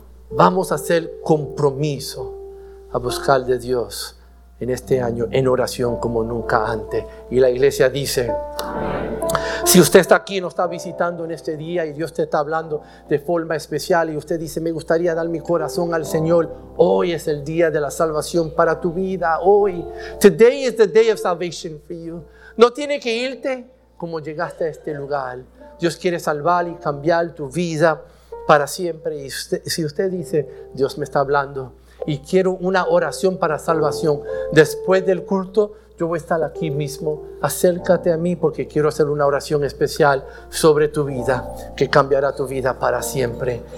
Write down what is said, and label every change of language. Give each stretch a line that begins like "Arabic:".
Spanish: Vamos a hacer compromiso a buscar de Dios en este año en oración como nunca antes. Y la iglesia dice, Si usted está aquí, nos está visitando en este día y Dios te está hablando de forma especial y usted dice, me gustaría dar mi corazón al Señor. Hoy es el día de la salvación para tu vida. Hoy.
English: Today is the day of salvation for you.
Spanish: No tiene que irte como llegaste a este lugar. Dios quiere salvar y cambiar tu vida para siempre. Y usted, si usted dice, Dios me está hablando y quiero una oración para salvación, después del culto, yo voy a estar aquí mismo. Acércate a mí porque quiero hacer una oración especial sobre tu vida, que cambiará tu vida para siempre.